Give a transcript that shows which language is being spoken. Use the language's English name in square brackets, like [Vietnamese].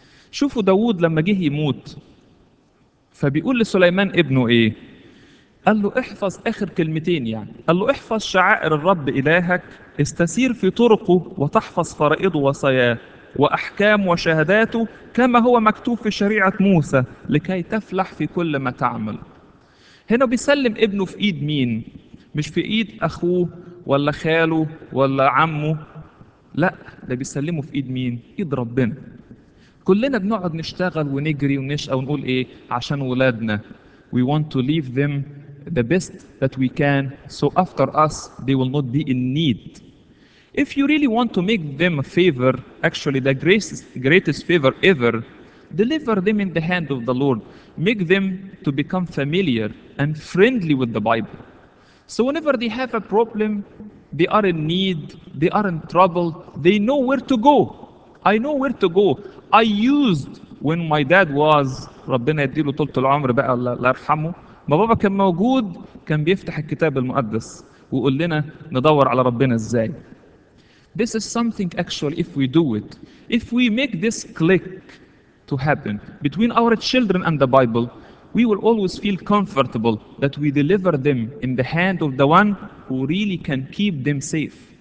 [Arabic] شوفوا داود لما جه يموت، فبيقول لسليمان ابنه ايه؟ قال له احفظ اخر كلمتين، يعني قال له احفظ شعائر الرب الهك، استسير في طرقه وتحفظ فرائضه وصاياه واحكام وشهاداته كما هو مكتوب في شريعة موسى لكي تفلح في كل ما تعمل. هنا بيسلم ابنه في ايد مين؟ مش في ايد اخوه ولا خاله ولا عمه، لا، ده بيسلمه في ايد مين؟ ايد ربنا. كلنا بنقعد نشتغل ونجري ونشقى ونقول ايه عشان ولادنا. [English] We want to leave them the best that we can, so after us they will not be in need. If you really want to make them a favor, actually the greatest favor ever, deliver them in the hand of the Lord. Make them to become familiar and friendly with the Bible. So whenever they have a problem, they are in need, they are in trouble, they know where to go. I know where to go. I used, when my dad was, [Arabic] ربنا يديله طول العمر بقى الله يرحمه، ما بابا كان موجود كان بيفتح الكتاب المقدس ويقول لنا ندور على ربنا ازاي. [English] This is something actually if we do it, if we make this click, to happen between our children and the Bible, we will always feel comfortable that we deliver them in the hand of the one who really can keep them safe.